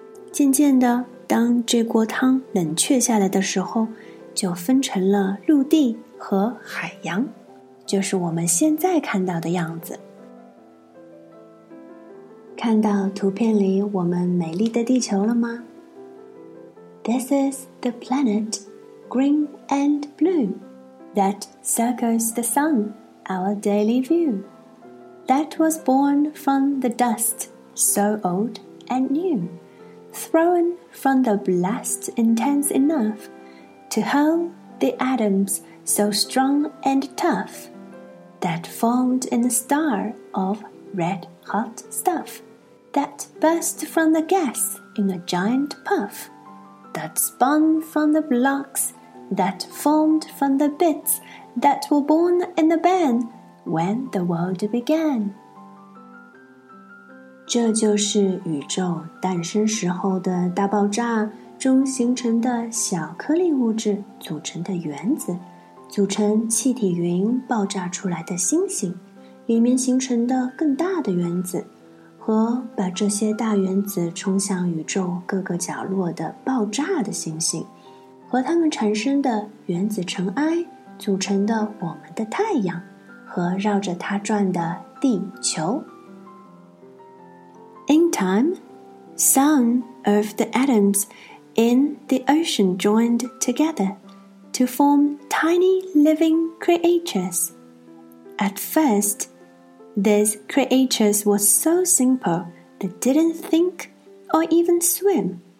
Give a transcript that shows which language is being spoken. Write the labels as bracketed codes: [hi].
[zh] 渐渐的，当这锅汤冷却下来的时候，就分成了陆地和海洋，就是我们现在看到的样子。看到图片里我们美丽的地球了吗？ [en] This is the planet, green and blue, that circles the sun, our daily view, that was born from the dust, so old and new, thrown from the blast intense enough to hurl the atoms so strong and tough, that formed in a star of red hot stuff, that burst from the gas in a giant puff, that spun from the blocks, that formed from the bits that were born in the band when the world began. [zh] 这就是宇宙诞生时候的大爆炸中形成的小颗粒物质组成的原子，组成气体云爆炸出来的星星，里面形成的更大的原子，和把这些大原子冲向宇宙各个角落的爆炸的星星，和它们产生的原子尘埃组成的我们的太阳，和绕着它转的地球。 [en] In time, some of the atoms in the ocean joined together to form tiny living creatures. At first, these creatures were so simple they didn't think or even swim.